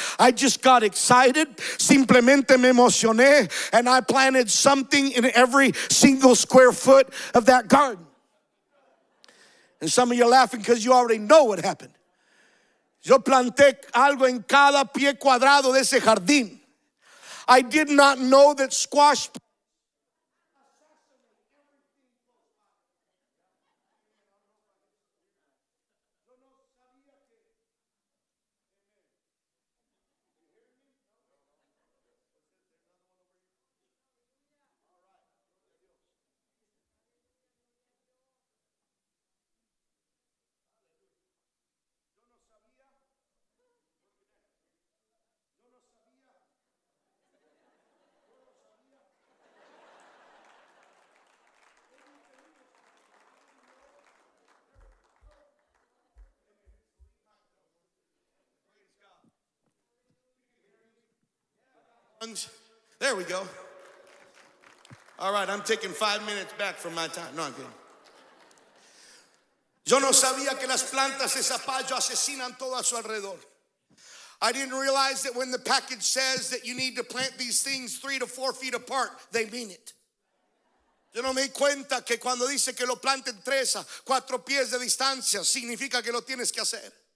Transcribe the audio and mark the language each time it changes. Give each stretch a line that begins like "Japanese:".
English: I just got excited.
Spanish: Simplemente me emocioné,
English: and I planted something in every single square foot of that garden. And some of you are laughing because you already know what happened.
Spanish: Yo planté algo en cada pie cuadrado de ese jardín.
English: I did not know that squash. There we go. All right, I'm taking 5 minutes back from my time. No, I'm kidding.
Spanish: Yo no sabía que las plantas de zapallo asesinan todo a su alrededor.
English: I didn't realize that when the package says that you need to plant these things 3 to 4 feet apart, they mean it.
Spanish: Yo no me di cuenta que cuando dice que lo planten 3 a 4 pies de distancia, significa que lo tienes que hacer.